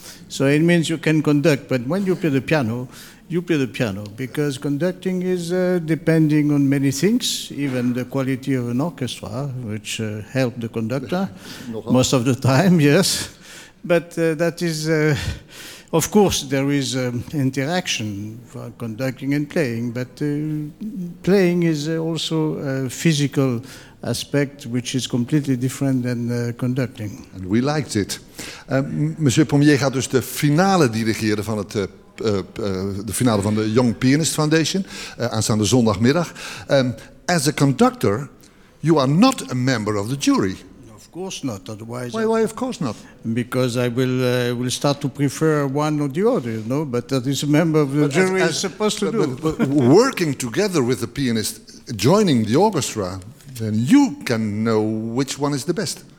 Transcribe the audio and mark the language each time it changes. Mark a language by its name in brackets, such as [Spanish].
[English] So it means you can conduct, but when you play the piano, you play the piano, because conducting is depending on many things, even the quality of an orchestra, which help the conductor most of the time, yes. But that is, of course, there is interaction for conducting and playing, but playing is also a physical aspect which is completely different than conducting. And we liked it. [Dutch] Monsieur Pommier gaat dus de finale dirigeren van het de finale van de Young Pianist Foundation, aanstaande zondagmiddag. [English] As a conductor, you are not a member of the jury. Of course not, otherwise... Why, of course not? Because I will start to prefer one or the other, you know, but that is a member of the jury is supposed to do. But working together with the pianist, joining the orchestra, then you can know which one is the best.